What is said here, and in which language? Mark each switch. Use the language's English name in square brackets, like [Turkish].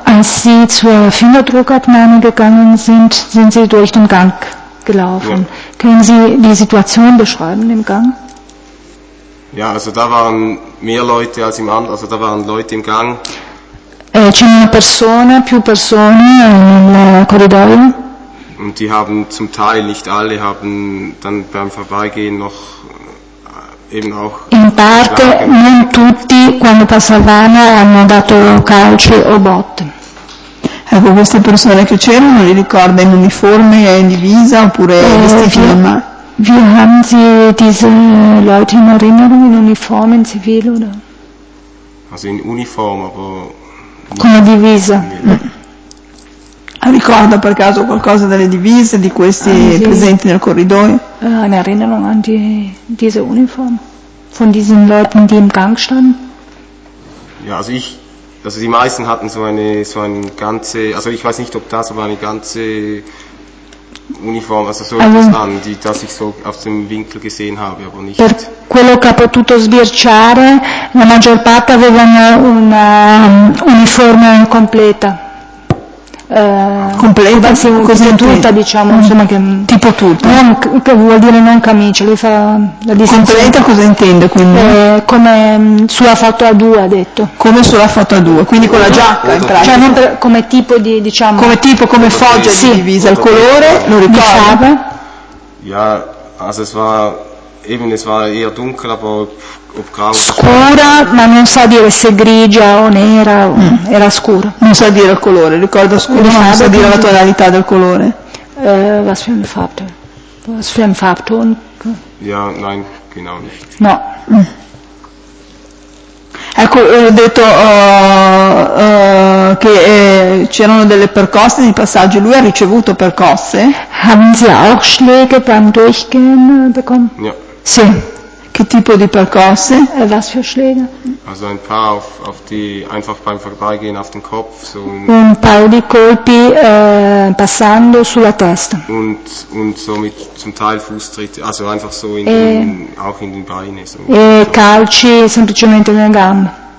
[German] Als sie zur Fingerdruckabnahme gegangen sind sie durch den Gang gelaufen. Ja. Können Sie die Situation beschreiben im Gang? Ja, also da waren mehr Leute als im anderen, also da waren Leute im Gang. [Italian] C'erano più persone nel corridoio. [German] Und die haben zum Teil, nicht alle, haben dann beim Vorbeigehen noch eben auch. [Italian] In parte, non tutti, quando passavano, hanno dato calci o botte. Ecco, queste persone che c'erano, li ricorda in uniforme, in divisa, oppure vestiti normali? [German] Wie haben Sie diese Leute in Erinnerung, [Italian] in uniforme, in civile, [German] oder? Also [Italian] in uniforme, [German] aber... [Italian] Con la divisa. Ricorda per caso qualcosa delle divise, di questi presenti nel corridoio? [German] In Erinnerung an diese uniforme, von diesen Leuten, die im Gang standen? Ja, also ich... Also die meisten hatten so eine ganze, also ich weiß nicht ob das, aber eine ganze Uniform, also so etwas an, die das ich so aus dem Winkel gesehen habe, aber nicht. [Italian] Per quello che ho potuto sbirciare, la maggior parte avevano una uniforme completa. Completa, così tutta, diciamo, insomma, che tipo tutta. Non, che vuol dire non camicia, lui fa la distinzione. Completa cosa intende quindi? Come sulla foto a due, ha detto. Come sulla foto a due, quindi con la giacca, in cioè non come tipo di, diciamo. Come tipo, come foggia sì, di divisa, il colore, lo ricorda. Di [German] ja, also es war eben es war eher dunkel, aber ob grau. [Italian] Scura, ma non sa dire se grigia o nera, era scura. Non sa dire il colore, ricorda scuro, ma non sa dire la tonalità del colore. [German] Was für ein Farbton? Was für ein Farbton? Ja, nein, genau nicht. [Italian] No. Ecco, ho detto che c'erano delle percosse nei passaggi. Lui ha ricevuto percosse? [German] Haben Sie auch Schläge beim Durchgehen bekommen? Ja. [Italian] Sì. Che tipo di percosse? [German] Was für Schläge? Also ein paar auf die einfach beim Vorbeigehen auf den Kopf. So [Italian] un paio di colpi passando sulla testa. [German] Und so mit zum Teil Fußtritte, also einfach so in auch in den Beinen. So. [Italian] E calci semplicemente nelle gambe.